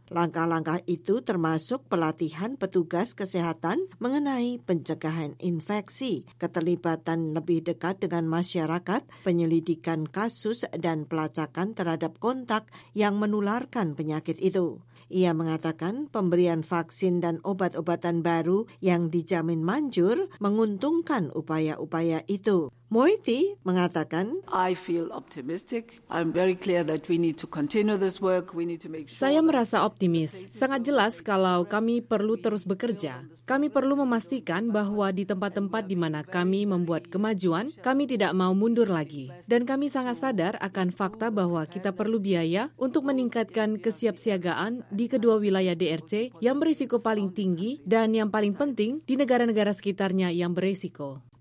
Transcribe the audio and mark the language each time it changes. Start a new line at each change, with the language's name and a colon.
Indonesian: Langkah-langkah itu termasuk pelatihan petugas kesehatan mengenai pencegahan infeksi, keterlibatan lebih dekat dengan masyarakat, penyelidikan kasus, dan pelacakan terhadap kontak yang menularkan penyakit itu. Ia mengatakan pemberian vaksin dan obat-obatan baru yang dijamin manjur menguntungkan upaya-upaya itu. Moeti mengatakan,
English: I feel optimistic. I'm very clear that we need to continue this work. We need to make sure.
Indonesian: Saya merasa optimis. Sangat jelas kalau kami perlu terus bekerja. Kami perlu memastikan bahwa di tempat-tempat di mana kami membuat kemajuan, kami tidak mau mundur lagi. Dan kami sangat sadar akan fakta bahwa kita perlu biaya untuk meningkatkan kesiapsiagaan di kedua wilayah DRC yang berisiko paling tinggi dan yang paling penting di negara-negara sekitarnya yang berisiko.